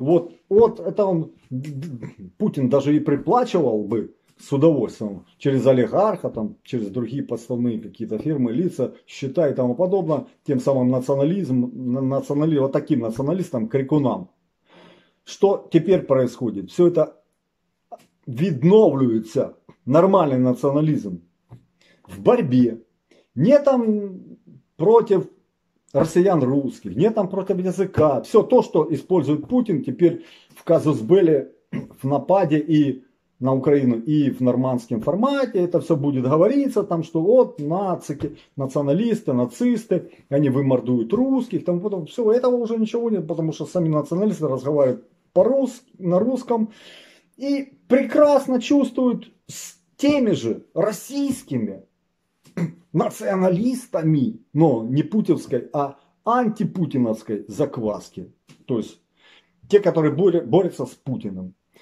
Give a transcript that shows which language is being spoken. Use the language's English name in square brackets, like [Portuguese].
[Russian] Вот, вот это он, Путин даже и приплачивал бы с удовольствием через олигарха, там, через другие подставные какие-то фирмы, лица, счета и тому подобное, тем самым национализм, вот таким националистам, крикунам. Что теперь происходит? Все это [Ukrainian] відновлюється нормальний націоналізм в боротьбі. Не там проти росіян русських, не там проти язика. Все то, що використовує Путін, тепер в казус белі, в нападі і [Russian] на Украину и в нормандском формате, это все будет говориться, там, что вот нацики, националисты, нацисты, они вымордуют русских, там, потом, все, этого уже ничего нет, потому что сами националисты разговаривают на русском и прекрасно чувствуют с теми же российскими националистами, но не путинской, а антипутиновской закваски, то есть те, которые борются с Путиным.